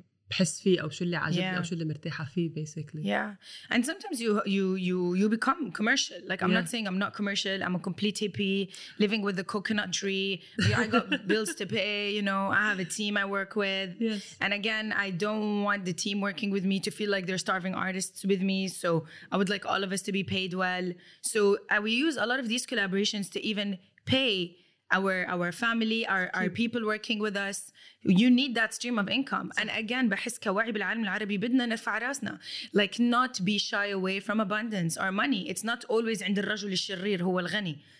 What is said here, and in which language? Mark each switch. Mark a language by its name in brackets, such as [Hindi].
[Arabic] بحس فيه أو شو اللي عاجبني [English] yeah. [Arabic] أو شو اللي مرتاحة فيه [English] basically. Yeah, and sometimes you become commercial. Like I'm yeah. not saying I'm not commercial. I'm a complete hippie living with the coconut tree. I got bills to pay. You know, I have a team I work with. Yes. And again, I don't want the team working with me to feel like they're starving artists with me. So I would like all of us to be paid well. So we use a lot of these collaborations to even pay our family, our people working with us. You need that stream of income. And again, [Arabic] بحس كواعي بالعالم العربي بدنا نرفع راسنا. [English] Like not be shy away from abundance or money. It's not always [Arabic] عند الرجل الشرير هو الغني.